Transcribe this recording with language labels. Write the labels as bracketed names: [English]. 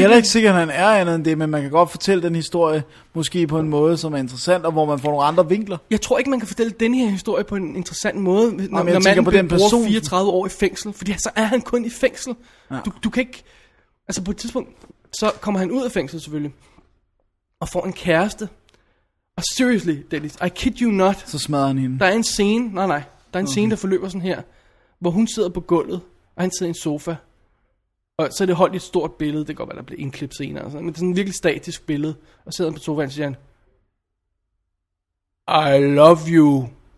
[Danish] Jeg er ikke sikkert, at han er andet end det, men man kan godt fortælle den historie, måske på en måde, som er interessant, og hvor man får nogle andre vinkler. Jeg tror ikke, man kan fortælle den her historie på en interessant måde, når man bruger person... 34 år i fængsel. Fordi så er han kun i fængsel. Ja. Du kan ikke... Altså, på et tidspunkt, så kommer han ud af fængsel, selvfølgelig, og får en kæreste. Og [English] seriously, Dennis, I kid you not. [Danish] Så smadrer han hende. Der er en scene, der er en scene, der forløber sådan her, hvor hun sidder på gulvet. Og han sidder i en sofa. Og så er det holdt i et stort billede. Det kan godt være, der bliver indklippet senere. Men det er sådan et virkelig statisk billede. Og sidder han på sofaen, og siger han, [English] I love you.